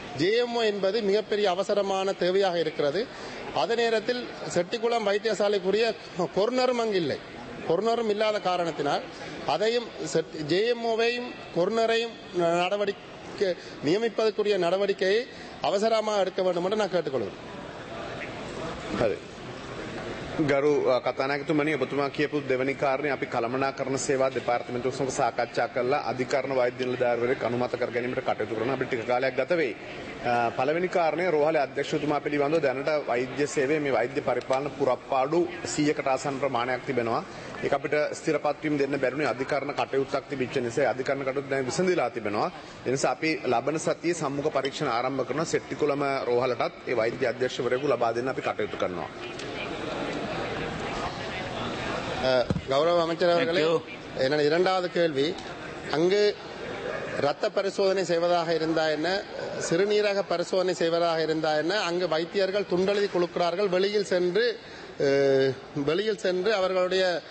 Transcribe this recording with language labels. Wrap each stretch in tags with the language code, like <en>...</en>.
<ta>JMO என்பது மிகப்பெரிய அவசரமான தேவையாக இருக்கிறது. அதே நேரத்தில் செட்டிக்குளம் வைத்தியசாலைக்குரிய கொர்னரும் அங்கு இல்லை. கொர்னரும் இல்லாத காரணத்தினால் அதையும் ஜேஎம்ஓவையும் கொர்னரையும் நடவடிக்கை நியமிப்பதற்குரிய நடவடிக்கையை அவசரமாக எடுக்க வேண்டும் என்று நான் கேட்டுக்கொள்கிறேன்.</ta> <si>ගරු කතානායකතුමනි, ඔබතුමා කියපු දෙවැනි කාරණේ අපි කළමනාකරණ සේවා දෙපාර්තමේන්තුව සමග සාකච්ඡා කරලා අධිකරණ වෛද්‍ය නිලධාරීවරයෙක් අනුමත කර ගැනීමට කටයුතු කරන අපිට ටික කාලයක් ගත වෙයි. පළවෙනි කාරණේ රෝහලේ අධ්‍යක්ෂතුමා පිළිබඳව දැනට වෛද්‍ය සේවයේ මේ වෛද්‍ය පරිපාලන පුරප්පාඩු 100% ආසන්න ප්‍රමාණයක් තිබෙනවා. ඒක අපිට ස්ථිරපත් වීම දෙන්න බැරිුනේ අධිකරණ කටයුත්තක් තිබිච්ච නිසා. අධිකරණ කටයුතු දැන් විසඳිලා තිබෙනවා. ඒ නිසා අපි ලබන සතියේ සම්මුඛ පරීක්ෂණ ආරම්භ කරන සෙට්ටිකුලම රෝහලටත් ඒ වෛද්‍ය අධ්‍යක්ෂවරයෙකු ලබා දෙන්න අපි කටයුතු කරනවා.</si> <ta>ගෞරව அமைச்சரவர்களே, என இரண்டாவது கேள்வி, அங்கு இரத்த பரிசோதனை செய்வதாக இருந்தா என்ன, சிறுநீரக பரிசோதனை செய்வதாக இருந்தா என்ன, அங்கு வைத்தியர்கள் துண்டெழுதி கொடுக்கிறார்கள், வெளியில் சென்று அவர்களுடைய</ta>